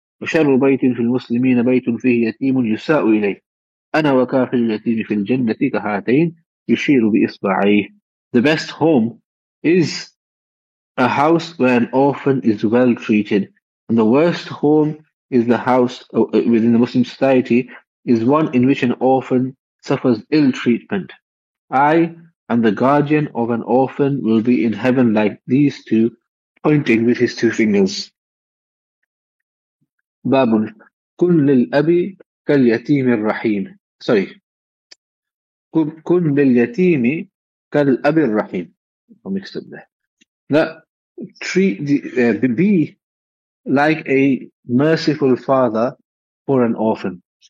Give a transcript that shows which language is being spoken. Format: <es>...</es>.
<ar>وشر بيت في المسلمين بيت فيه يتيم يساء إليه أنا وكافل اليتيم في الجنة كهاتين يشير بإصبعيه.</ar> <en>The best home is a house where an orphan is well treated, and the worst home is the house within the Muslim society is one in which an orphan suffers ill treatment. I and the guardian of an orphan will be in heaven like these two, pointing with his two fingers.</en> <ar>باب كن للأبي كاليتيم الرحيم.</ar> <en>Sorry.</en> <ar>كن لليتيم كالأبي الرحيم.</ar> <en>I mixed up there. Be like a merciful father for an orphan.</en>